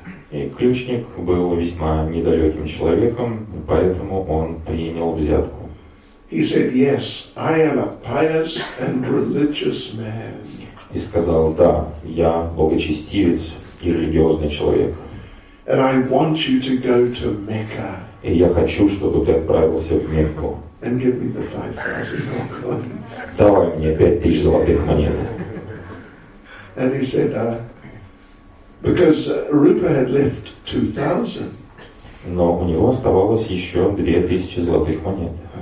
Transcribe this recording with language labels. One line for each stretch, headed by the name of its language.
Russian: И ключник был весьма недалеким человеком, поэтому он принял взятку.
English: He said, "Yes, I am a pious and religious man."
Russian: И сказал: "Да, я благочестивец и религиозный человек."
English: And I want you to go to Mecca.
Russian: И я хочу, чтобы ты отправился в Мекку.
English: And give me the 5,000 gold coins.
Russian: Давай мне 5,000 золотых монет.
English: And he said, because Rupa had left 2,000.
Russian: Но у него оставалось еще 2,000 золотых монет.